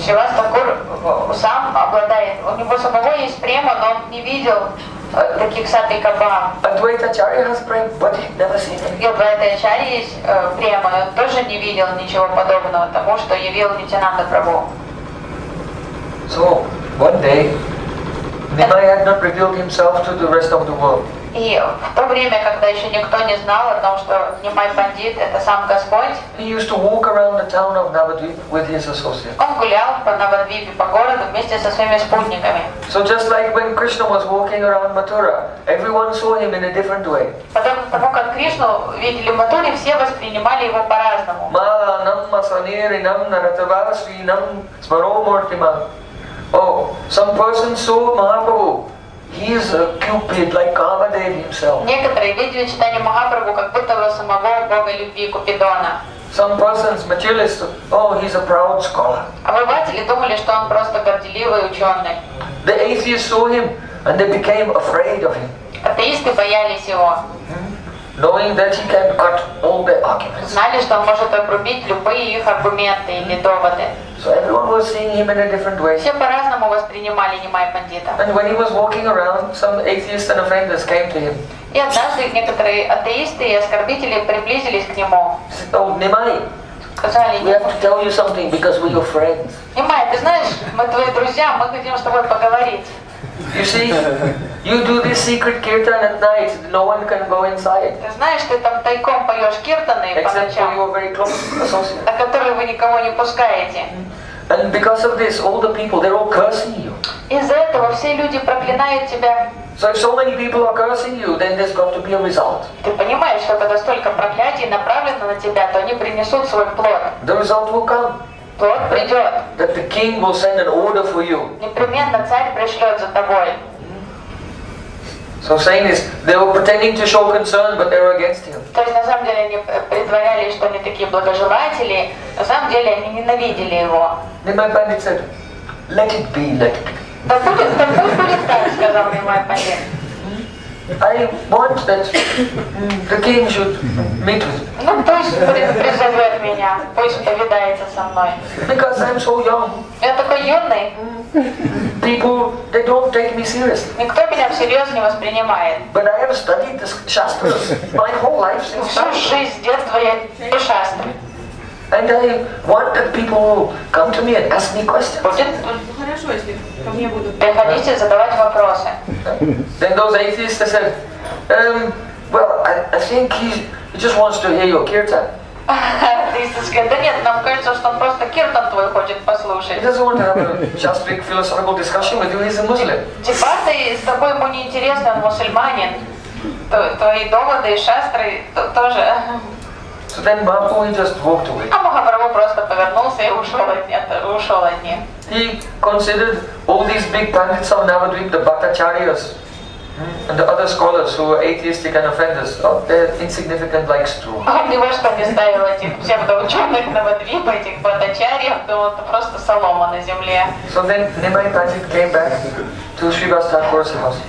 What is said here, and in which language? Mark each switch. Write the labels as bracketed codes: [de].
[ru] Шривас Такур сам обладает, у него самого есть према, но он не видел таких сатей каба. [en] Адвайта Ачарья has prayed, but he's never seen anything. [ru] Адвайта Ачарья есть према, он тоже не видел ничего подобного тому, что явил Нитянанду Прабху. [en] So, one day, Nimai had not revealed himself to the rest of the world. [ru] И в то время, когда еще никто не знал о том, что Nimai Pandit это сам Господь. [en] He used to walk around the town of Navadvip with his associates. [ru] Он гулял по Навадвипе, по городу вместе со своими спутниками. [en] So just like when Krishna was walking around Mathura, everyone saw him in a different way. [ru] Потом того, как Кришну видели в Матуре, все воспринимали его по-разному. Мала нам масанири нам наратавасви нам сваромортима. [en] Oh, some person saw Mahaprabhu. He is a cupid like Kamadev himself. [ru] Некоторые видели читание Махапрабху как будто его самого бога любви Купидона. [en] Some persons, materialists, oh, he's a proud scholar. [ru] Обыватели думали, что он просто горделивый ученый. [en] The atheists saw him and they became afraid of him. [ru] Атеисты боялись его. [en] Knowing that he can cut all their arguments. [ru] Знали, что он может обрубить любые их аргументы или доводы. [en] So everyone was seeing him in a different way. [ru] Все по-разному воспринимали Nimai Pandita. [en] And when he was walking around, some atheists and offenders came to him. [ru] И однажды некоторые атеисты и оскорбители приблизились к нему. [en] Oh, Nimai, [ru] сказали, [en] we have to tell you something because we're your friends. [ru] Nimai, ты знаешь, мы твои друзья, мы хотим с тобой поговорить. [en] You see, you do this secret kirtan at night, no one can go inside. [ru] Ты знаешь, ты там тайком поешь киртаны по ночам, на которые вы никого не пускаете. [en] And because of this, all the people, they're all cursing you. [ru] Из-за этого все люди проклинают тебя. [en] So if so many people are cursing you, then there's got to be a result. [ru] Ты понимаешь, что когда столько проклятий направлено на тебя, то они принесут свой плод. [en] The result will come. [ru] Плод придет. [en] That the king will send an order for you. [ru] Непременно царь пришлет за тобой. [en] So saying this, they were pretending to show concern, but they were against him. [ru] То есть на самом деле они притворялись, что они такие благожелатели, на самом деле они ненавидели его. [en] Nimai Pandit said, let it be, let it be. [ru] Да будет так, сказал Nimai Pandit. [en] I want that the king should meet with me. [ru] Ну, то есть призывает меня, пусть повидается со мной. [en] Because I'm so young. [ru] Я такой юный. [en] People, they don't take me seriously. [ru] Никто меня всерьез не воспринимает. [en] But I have studied the shastras my whole life since childhood. [ru] Всю жизнь, с детства я по шастрам. [en] And I want that people come to me and ask me questions. [ru] Приходите задавать вопросы. [en] Then those atheists said, well, I think he just wants to hear your kirtan. [ru] Да нет, нам кажется, что он просто киртан твой хочет послушать. [en] He doesn't want to have a just big philosophical discussion with you, he's a Muslim. [ru] Дебаты с тобой ему не интересны, он мусульманин. Твои доводы и шастры тоже. [en] So then Mahaprabhu, he just walked away. [ru] А Махапрабху просто повернулся и ушел от них. [en] He considered all these big pandits of Navadvip, the Bhattacharyas, and the other scholars who were atheistic and offenders, oh, they're insignificant like straw. [ru] Он не важно не ставил этих псевдоученых Навадвипа, этих Бхаттачарьев, то это просто солома на земле. [en] So then Nimai Pandit came back to Srivastakura's house.